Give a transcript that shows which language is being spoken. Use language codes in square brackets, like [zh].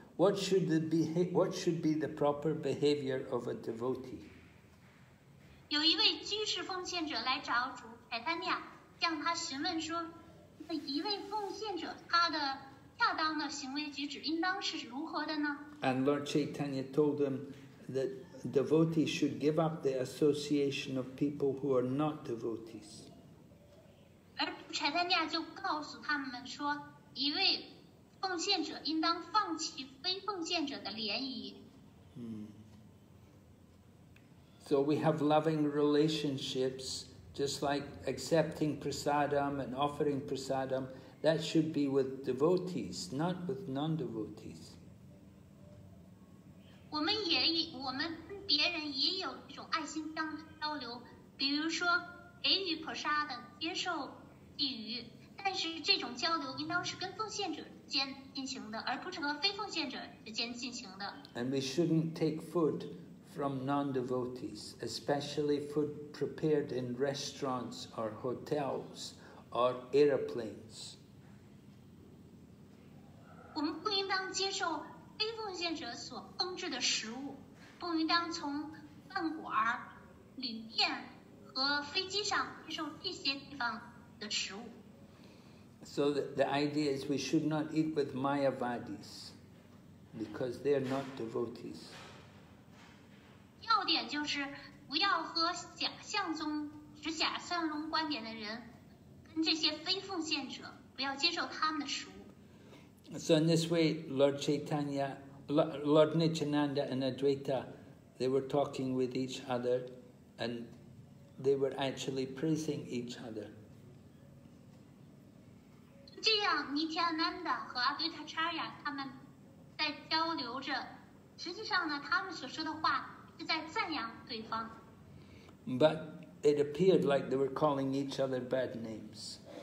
[en] What should be the proper behavior of a devotee? [zh] 有一位居士奉献者来找主凯坦尼亚，向他询问说，那一位奉献者他的恰当的行为举止应当是如何的呢？ [en] And Lord Chaitanya told him that devotees should give up the association of people who are not devotees. [zh] 而柴坦尼亚就告诉他们说，一位奉献者应当放弃非奉献者的联谊。 [en] So we have loving relationships, just like accepting prasadam and offering prasadam, that should be with devotees, not with non-devotees. [zh] 我们跟别人也有一种爱心相交流，比如说给予prasadam，接受给予，但是这种交流应当是跟奉献者之间进行的，而不是和非奉献者之间进行的。 [en] And we shouldn't take food from non-devotees, especially food prepared in restaurants or hotels or airplanes. [zh] 我们不应当接受非奉献者所烹制的食物，不应当从饭馆、旅店和飞机上接受这些地方的食物。 [en] So the idea is we should not eat with Mayavadis because they're not devotees. [zh] 要点就是不要和假象宗持假象宗观点的人，跟这些非奉献者不要接受他们的食物。 [en] So in this way, Lord Chaitanya, Lord Nityananda and Advaita, they were talking with each other and they were actually praising each other. [zh] 这样，尼提亚南达和阿维塔查亚他们在交流着。实际上呢，他们所说的话是在赞扬对方。 [en] But it appeared like they were calling each other bad names.